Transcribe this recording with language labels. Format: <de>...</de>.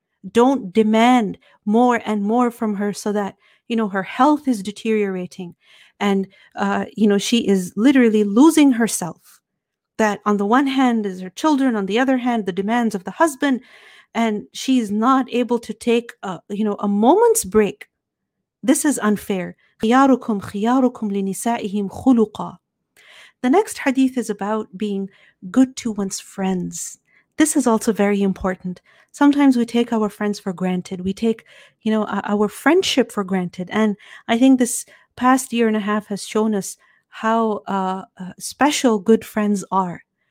<en>Don't demand more and more from her so that, her health is deteriorating. And, she is literally losing herself. That on the one hand is her children, on the other hand, the demands of the husband. And she's not able to take a moment's break. This is unfair.</en> <ar>خياركم خياركم لنسائهم خلقا.</ar> <en>The next hadith is about being good to one's friends. This is also very important. Sometimes we take our friends for granted. We take, our friendship for granted. And I think this past year and a half has shown us how special good friends are.</en>